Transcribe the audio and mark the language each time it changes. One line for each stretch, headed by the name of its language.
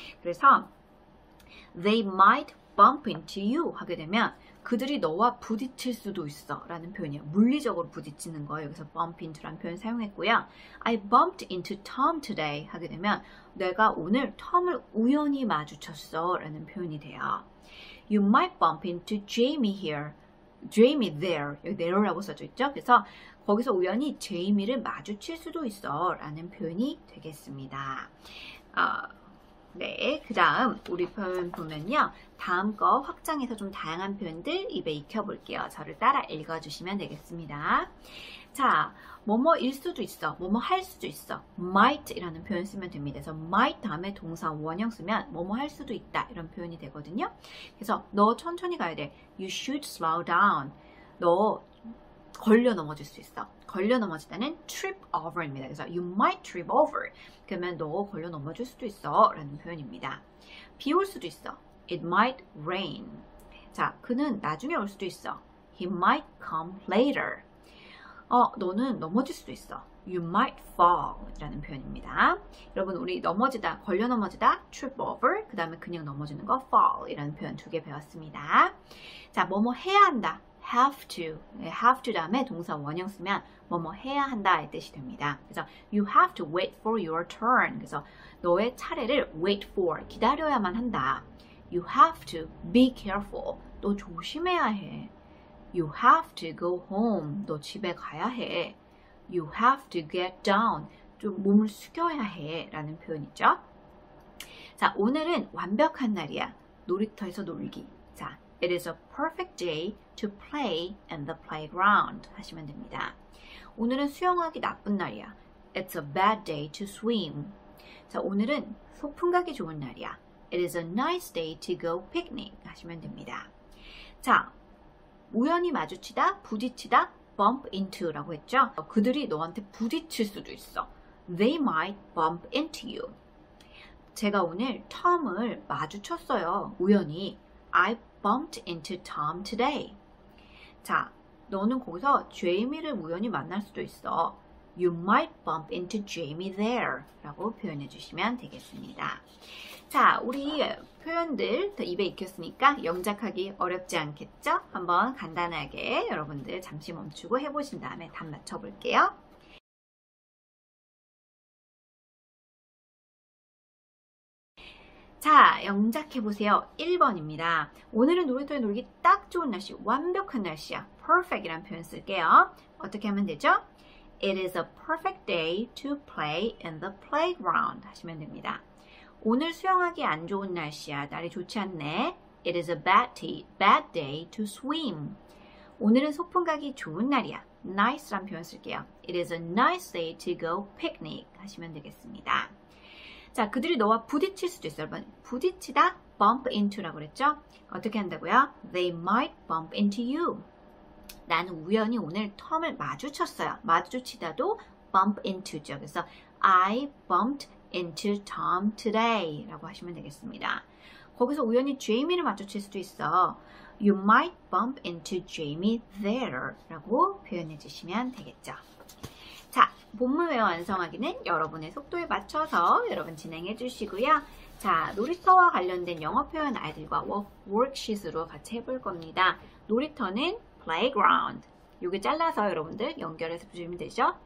Korean: 그래서
English: they might bump into you
Korean: 하게 되면 그들이 너와 부딪힐 수도 있어라는 표현이에요. 물리적으로 부딪히는 거, 여기서 bump into라는 표현 사용했고요.
English: I bumped into Tom today
Korean: 하게 되면 내가 오늘 Tom을 우연히 마주쳤어라는 표현이 돼요.
English: You might bump into Jamie here. Jamie there.
Korean: 여기 there라고 써져 있죠? 그래서 거기서 우연히 제이미를 마주칠 수도 있어 라는 표현이 되겠습니다. 네. 그 다음, 우리 표현 보면요. 다음 거 확장해서 좀 다양한 표현들 입에 익혀 볼게요. 저를 따라 읽어 주시면 되겠습니다. 자, 뭐뭐일 수도 있어, 뭐뭐 할 수도 있어. might 이라는 표현 쓰면 됩니다. 그래서 might 다음에 동사 원형 쓰면 뭐뭐 할 수도 있다 이런 표현이 되거든요. 그래서 너 천천히 가야 돼.
English: You should slow down.
Korean: 너 걸려 넘어질 수 있어. 걸려 넘어지다는 trip over입니다.
English: 그래서 you might trip over.
Korean: 그러면 너 걸려 넘어질 수도 있어 라는 표현입니다. 비올 수도 있어.
English: It might rain.
Korean: 자, 그는 나중에 올 수도 있어.
English: He might come later.
Korean: 너는 넘어질 수도 있어.
English: You might fall
Korean: 이라는 표현입니다. 여러분, 우리 넘어지다, 걸려 넘어지다, trip over, 그 다음에 그냥 넘어지는 거, fall 이라는 표현 두개 배웠습니다. 자, 뭐뭐 해야 한다, have to. have to 다음에 동사 원형 쓰면 뭐뭐 해야 한다의 뜻이 됩니다.
English: 그래서 you have to wait for your turn.
Korean: 그래서 너의 차례를 wait for, 기다려야만 한다.
English: You have to be careful.
Korean: 너 조심해야 해.
English: You have to go home.
Korean: 너 집에 가야 해.
English: You have to get down.
Korean: 좀 몸을 숙여야 해 라는 표현이죠. 자, 오늘은 완벽한 날이야, 놀이터에서 놀기.
English: 자, It is a perfect day to play in the playground
Korean: 하시면 됩니다. 오늘은 수영하기 나쁜 날이야,
English: It's a bad day to swim.
Korean: 자, 오늘은 소풍 가기 좋은 날이야,
English: It is a nice day to go picnic
Korean: 하시면 됩니다. 자, 우연히 마주치다, 부딪히다, bump into라고 했죠? 그들이 너한테 부딪힐 수도 있어.
English: They might bump into you.
Korean: 제가 오늘 Tom을 마주쳤어요, 우연히.
English: I bumped into Tom today.
Korean: 자, 너는 거기서 제이미를 우연히 만날 수도 있어.
English: You might bump into Jamie there.
Korean: 라고 표현해 주시면 되겠습니다. 자, 우리 표현들 더 입에 익혔으니까 영작하기 어렵지 않겠죠? 한번 간단하게 여러분들 잠시 멈추고 해보신 다음에 답 맞춰볼게요. 자, 영작해보세요. 1번입니다. 오늘은 놀이터에 놀기 딱 좋은 날씨, 완벽한 날씨야. Perfect 이란 표현 쓸게요. 어떻게 하면 되죠?
English: It is a perfect day to play in the playground.
Korean: 하시면 됩니다. 오늘 수영하기 안 좋은 날씨야. 날이 좋지 않네.
English: It is a bad day to swim.
Korean: 오늘은 소풍 가기 좋은 날이야. Nice란 표현 쓸게요.
English: It is a nice day to go picnic.
Korean: 하시면 되겠습니다. 자, 그들이 너와 부딪힐 수도 있어요. 부딪히다, bump into라고 그랬죠? 어떻게 한다고요?
English: They might bump into you.
Korean: 나는 우연히 오늘 톰을 마주쳤어요. 마주치다도 bump into죠.
English: 그래서 I bumped into Tom today
Korean: 라고 하시면 되겠습니다. 거기서 우연히 제이미를 마주칠 수도 있어.
English: You might bump into Jamie there
Korean: 라고 표현해 주시면 되겠죠. 자, 본문 외워 완성하기는 여러분의 속도에 맞춰서 여러분 진행해 주시고요. 자, 놀이터와 관련된 영어 표현 아이들과 워크시트로 같이 해볼 겁니다. 놀이터는 playground. 요게 잘라서 여러분들 연결해서 보시면 되죠.